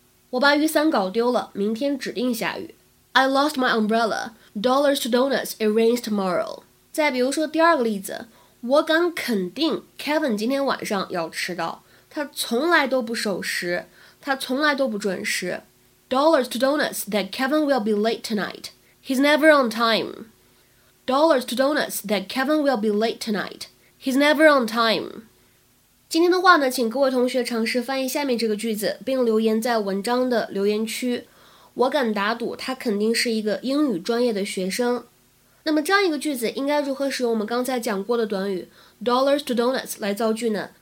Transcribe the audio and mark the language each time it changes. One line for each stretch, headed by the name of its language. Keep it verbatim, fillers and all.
Chinese: 我把雨伞搞丢了，明天指定下雨。
English: I lost my umbrella. Dollars to donuts, it rains tomorrow.
Chinese: 再比如说第二个例子，我敢肯定 Kevin 今天晚上要迟到，他从来都不守时，他从来都不准时。
English: Dollars to donuts that Kevin will be late tonight. He's never on time. Dollars to donuts that Kevin will be late tonight. He's never on time.
Chinese: 今天的话呢，请各位同学尝试翻译下面这个句子，并留言在文章的留言区。我敢打赌，他肯定是一个英语专业的学生。那么这样一个句子应该如何使用我们刚才讲过的短语 dollars to donuts 来造句呢？